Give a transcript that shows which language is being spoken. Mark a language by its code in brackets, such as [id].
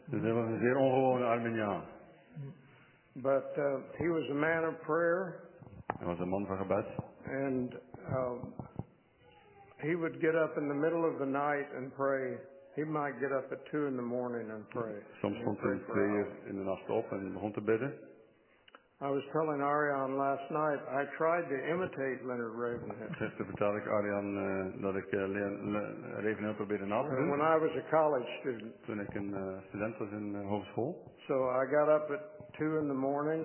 [nl] Dus hij was een zeer ongewone Arminiaan. [en] But he was a man of prayer. [nl] Hij was een man van gebed. [en] And he would get up in the middle of the night and pray. He might get up at 2 in the morning and pray. [nl] Soms stond hij in de nacht op en begon te bidden. [en] I was telling Arjan last night, I tried to imitate Leonard Ravenhill. [nl] Toen vertelde ik Arjan dat ik Ravenhill probeerde na te doen. [en] When I was a college student. [nl] Toen ik een student was in hogeschool. [en] So I got up at 2 in the morning.